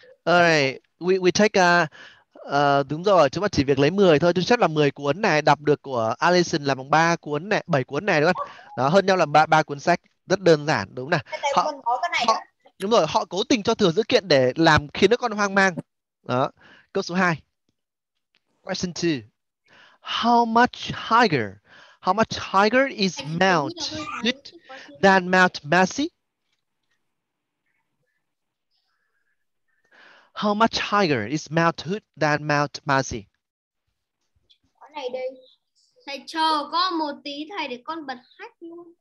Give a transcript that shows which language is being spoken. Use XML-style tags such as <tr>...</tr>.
<en>Alright, we take a</en> <vi>đúng rồi, chúng ta chỉ việc lấy 10 thôi. Chúng ta là 10 cuốn này, đọc được của Allison là bằng 3 cuốn này, 7 cuốn này đúng không? Đó, hơn nhau là 3 cuốn sách. Rất đơn giản, đúng không nào? Họ, có cái này họ, đúng rồi, họ cố tình cho thừa dữ kiện để làm khiến đứa con hoang mang. Đó. Câu số 2.</vi> <en>Question 2. How much higher is Mount Hood than Mount Massey? How much higher is Mount Hood than Mount Massey?</en> <vi>Thầy chờ con một tí thầy để con bật hack luôn.</vi>